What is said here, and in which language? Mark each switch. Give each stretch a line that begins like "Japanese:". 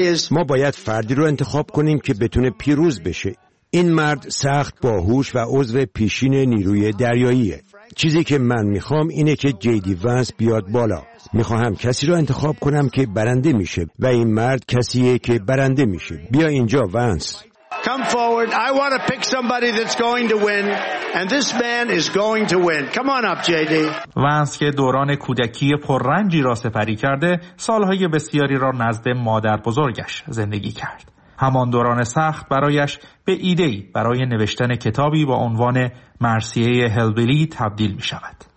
Persian: ما باید فردی را انتخاب کنیم که بتونه پیروز بشه. این مرد سخت باهوش و عضو پیشین نیروی دریاییه. چیزی که من می خوام اینه که جی دی ونس بیاد بالا. می خواهم کسی را انتخاب کنم که برنده میشه و این مرد کسیه که برنده میشه. بیا اینجا ونس.
English: Come forward. I want to pick somebody that's going to win, and this man is going to win. Come on up, JD.
Persian: ونس که دوران کودکی پررنجی را سپری کرده، سالهای بسیاری را نزد مادر بزرگش زندگی کرد. همان دوران سخت برایش به ایده‌ای برای نوشتن کتابی با عنوان مرثیه هلبیلی تبدیل می‌شود.